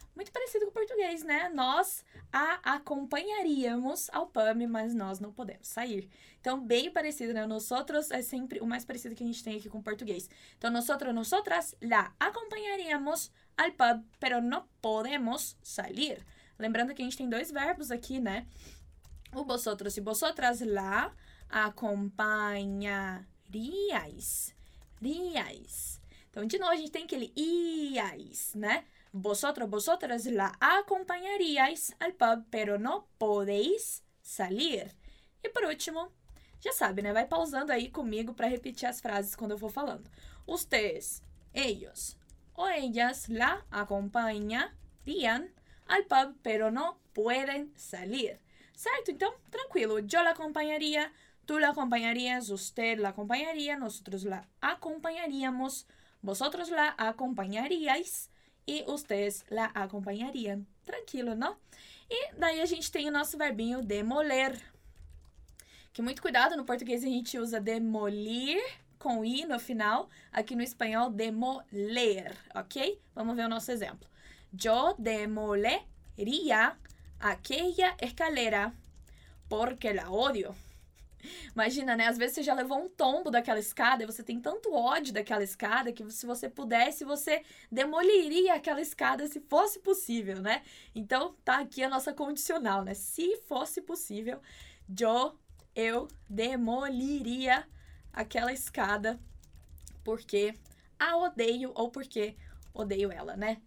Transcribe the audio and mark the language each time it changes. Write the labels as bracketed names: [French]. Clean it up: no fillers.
[Portuguese] Muito parecido com o português, né? Nós a acompanharíamos ao pub, mas nós não podemos sair. Então, bem parecido, né? Nosotros é sempre o mais parecido que a gente tem aqui com o português. [Spanish] Então, nosotras la acompañaríamos al pub, pero no podemos salir. [Portuguese] Lembrando que a gente tem dois verbos aqui, né? O vosotros e vosotras la acompanharíais. Ríais. Então, de novo, a gente tem aquele íais, né? [Spanish] Vosotros, vosotras la acompanharíais al pub, pero no podéis salir. [Portuguese] E por último, já sabe, né? Vai pausando aí comigo para repetir as frases quando eu for falando. [Spanish] Ustedes, ellos ou ellas la acompanharían al pub, pero no pueden salir. [Portuguese] Certo? Então, tranquilo. [Spanish] Yo la acompañaría, tú la acompañarías, usted la acompañaría, nosotros la acompañaríamos, vosotros la acompañaríais y ustedes la acompañarían. Tranquilo, ¿no? [Portuguese] E daí a gente tem o nosso verbinho demoler. Que muito cuidado, no português a gente usa demolir com i no final, aqui no espanhol demoler, ok? Vamos ver o nosso exemplo. [Spanish] Yo demolería aquella escalera porque la odio. [Portuguese] Imagina, né? Às vezes você já levou um tombo daquela escada e você tem tanto ódio daquela escada que se você pudesse, você demoliria aquela escada se fosse possível, né? Então, tá aqui a nossa condicional, né? Se fosse possível, eu demoliria aquela escada porque a odeio ou porque odeio ela, né?